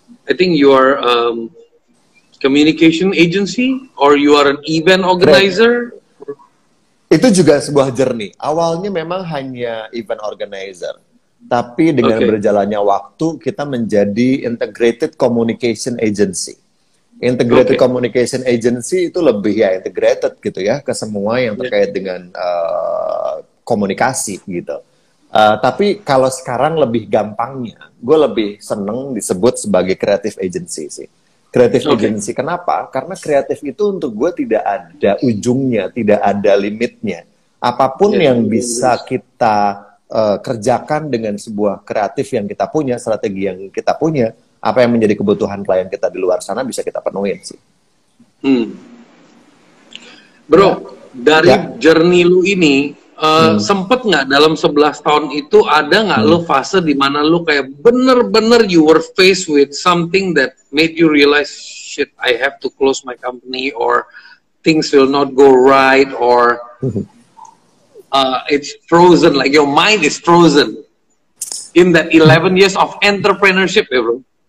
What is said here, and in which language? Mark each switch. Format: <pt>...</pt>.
<en>I think you are communication agency or you are an event organizer.</en> <id>Itu juga sebuah journey. Awalnya memang hanya event organizer. Tapi dengan berjalannya waktu, kita menjadi integrated communication agency. Integrated communication agency itu lebih ya integrated gitu ya, ke semua yang terkait dengan komunikasi gitu. Tapi kalau sekarang lebih gampangnya, gue lebih seneng disebut sebagai creative agency sih. Creative agency, kenapa? Karena kreatif itu untuk gue tidak ada ujungnya, tidak ada limitnya. Apapun yang bisa kita kerjakan dengan sebuah kreatif yang kita punya, strategi yang kita punya, apa yang menjadi kebutuhan klien kita di luar sana bisa kita penuhin sih. Bro, dari journey lu ini, sempet gak dalam 11 tahun itu ada gak lu fase dimana lu kayak bener-bener</id> <en>you were faced with something that made you realize, shit, I have to close my company, or things will not go right, or it's frozen, like your mind is frozen in that 11 years of entrepreneurship, bro.</en>